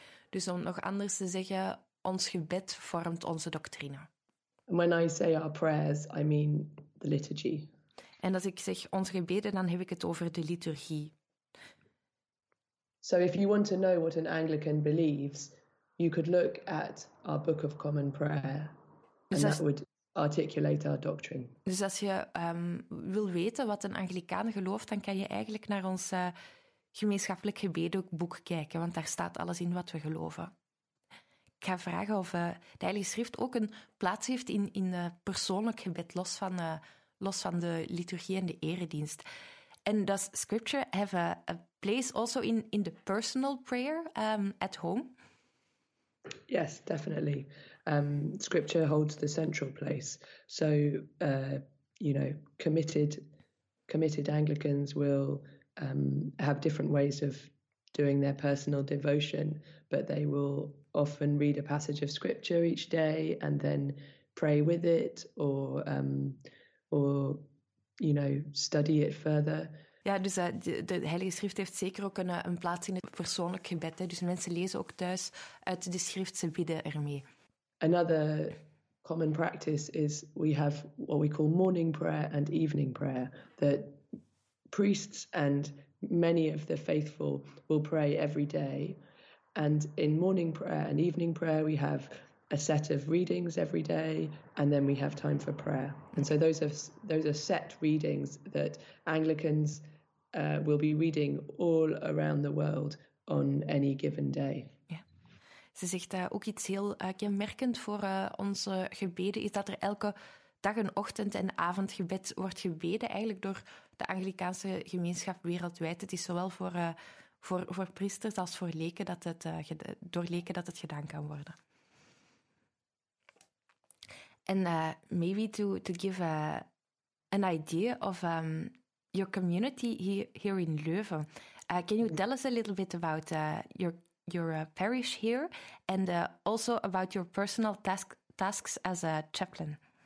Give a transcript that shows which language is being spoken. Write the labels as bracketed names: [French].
[Dutch] Dus om nog anders te zeggen, ons gebed vormt onze doctrine. [English] And when I say our prayers, I mean the liturgy. [Dutch] En als ik zeg ons gebeden, dan heb ik het over de liturgie. [English] So if you want to know what an Anglican believes, you could look at our Book of Common Prayer. And that would articulate our doctrine. [Dutch] Dus als je wil weten wat een Anglicaan gelooft, dan kan je eigenlijk naar ons gemeenschappelijk gebedenboek kijken, want daar staat alles in wat we geloven. Ik ga vragen of de Heilige Schrift ook een plaats heeft in persoonlijk gebed, los van de liturgie en de eredienst. [English] And does scripture have a place also in the personal prayer at home? Yes, definitely. Scripture holds the central place. So, committed Anglicans will have different ways of doing their personal devotion, but they will often read a passage of scripture each day and then pray with it or study it further. [Dutch] Ja, dus de Heilige Schrift heeft zeker ook een plaats in het persoonlijk gebed. Hè. Dus mensen lezen ook thuis uit de Schrift, ze bidden ermee. [English] Another common practice is we have what we call morning prayer and evening prayer. That priests and many of the faithful will pray every day. And in morning prayer and evening prayer we have a set of readings every day, and then we have time for prayer. And so those are set readings that Anglicans will be reading all around the world on any given day. [Dutch] Ja. Ze zegt ook iets heel kenmerkend voor onze gebeden, is dat er elke dag een ochtend- en avondgebed wordt gebeden, eigenlijk door de Anglicaanse gemeenschap wereldwijd. Het is zowel voor priesters als voor leken dat het, door leken dat het gedaan kan worden. [English] And maybe to give an idea of your community here in Leuven, can you tell us a little bit about your parish here and also about your personal tasks as a chaplain?